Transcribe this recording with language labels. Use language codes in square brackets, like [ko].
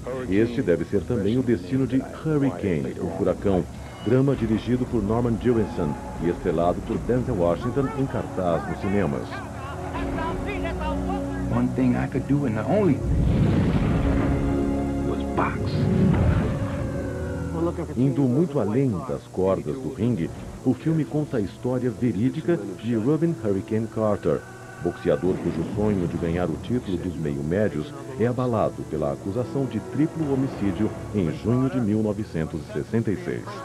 [pt] Este deve ser também o destino de Hurricane, o Furacão, drama dirigido por Norman Jewison e estrelado por Denzel Washington em cartaz nos cinemas. [en] One thing I could do, and the only thing, was box. [pt] Indo muito além das cordas do ringue, o filme conta a história verídica de Robin Hurricane Carter, boxeador cujo sonho de ganhar o título dos meio-médios é abalado pela acusação de triplo homicídio em junho de 1966.